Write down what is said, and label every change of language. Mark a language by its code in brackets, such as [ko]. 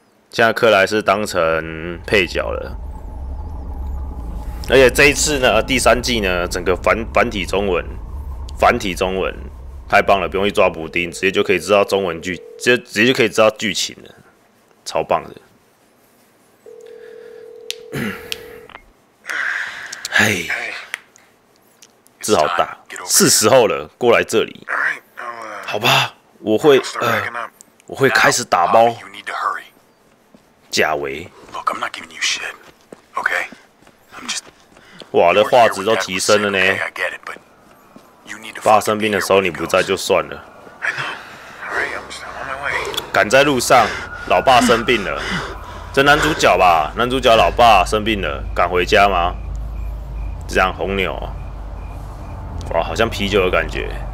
[zh] 现在克莱是当成配角了，而且这一次呢，第三季呢，整个繁体中文，太棒了，不用去抓补丁，直接就可以知道中文剧，直接就可以知道剧情了，超棒的。哎，字好大，是时候了，过来这里，好吧，我会开始打包。贾维 [en] ，Look, I'm not giving you shit, okay? I'm just. [zh] 哇，这画质都提升了呢。 [en] Okay, I get it, but you need to. [zh] 爸生病的时候你不在就算了。 [en] I know. All right, I'm on my way. [zh] 赶在路上，老爸生病了。这男主角吧，男主角老爸生病了，赶回家吗？这样红牛，哇，好像啤酒的感觉。